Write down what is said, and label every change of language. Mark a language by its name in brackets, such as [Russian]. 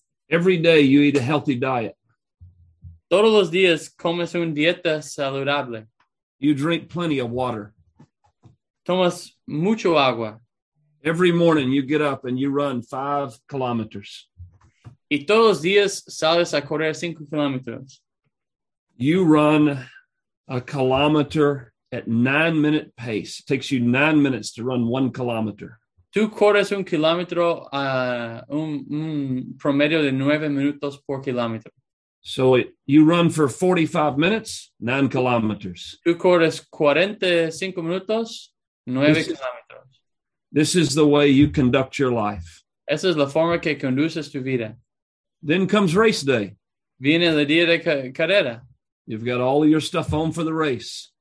[English] Every day you eat a healthy diet. [Spanish] Todos los días comes una dieta saludable. [English] You drink plenty of water. [Spanish] Tomas mucho agua. [English] Every morning you get up and you run 5 kilometers. [Spanish] Y todos los días sales a correr 5 kilómetros. [English] You run a kilometer at 9-minute pace. It takes you 9 minutes to run 1 kilometer. [Spanish] Tú corres 1 kilómetro a un promedio de 9 minutos por kilómetro. [English] So you run for 45 minutes, 9 kilometers. [Spanish] Tú corres 45 minutos, 9 kilómetros. [English] This is the way you conduct your life. [Spanish] Esa es la forma que conduces tu vida. [English] Then comes race day. [Spanish] Viene el día de carrera. [English] You've got all of your stuff on for the race.